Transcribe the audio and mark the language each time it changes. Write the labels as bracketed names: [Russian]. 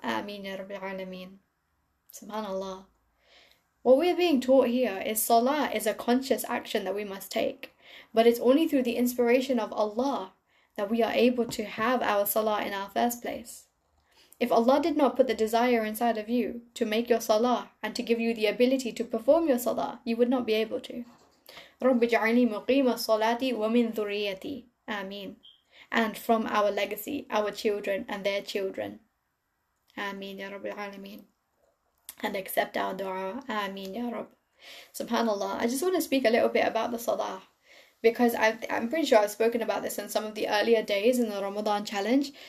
[English] Ameen ya Rabbil Alameen. Subhanallah. What we are being taught here is salah is a conscious action that we must take, but it's only through the inspiration of Allah that we are able to have our salah in our first place. If Allah did not put the desire inside of you to make your salah and to give you the ability to perform your salah, you would not be able to. [Arabic] رَبِّ جَعَلْنِي مُقِيمَ الصَّلَاةِ وَمِنْ ذُرِّيَّتِي [English] Ameen. And from our legacy, our children and their children. Ameen ya Rabbil Alameen. And accept our dua. Ameen ya Rabb. Subhanallah. I just want to speak a little bit about the salah, because I'm pretty sure I've spoken about this in some of the earlier days in the Ramadan challenge.